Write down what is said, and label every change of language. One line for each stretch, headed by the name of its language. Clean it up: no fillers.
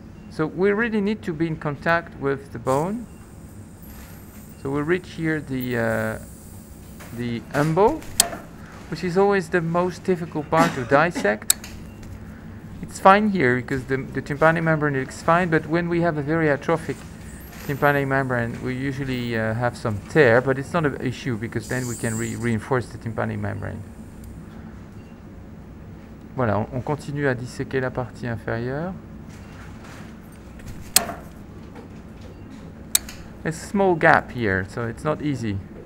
English: So we really need to be in contact with the bone. So we reach here the umbo, which is always the most difficult part to dissect. It's fine here because the tympanic membrane looks fine, but when we have a very atrophic tympanic membrane, we usually have some tear, but it's not an issue because then we can reinforce the tympanic membrane.
French: Voilà, on continue à disséquer la partie inférieure.
English: A small gap here, so it's not easy.